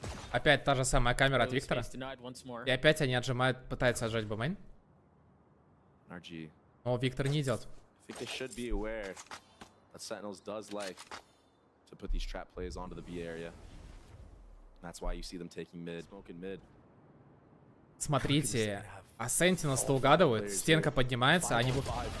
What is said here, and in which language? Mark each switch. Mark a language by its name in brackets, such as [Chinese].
[Russian] Опять та же самая камера от Виктора. И опять они отжимают, пытаются отжать бомейн. О, Виктор не идет. [English] They should be aware that Sentinels does like to put these trap plays onto the B area. That's why you see them taking mid, smoking mid. [Russian] Смотрите, а Sentinels то угадывают, стенка поднимается, они будут.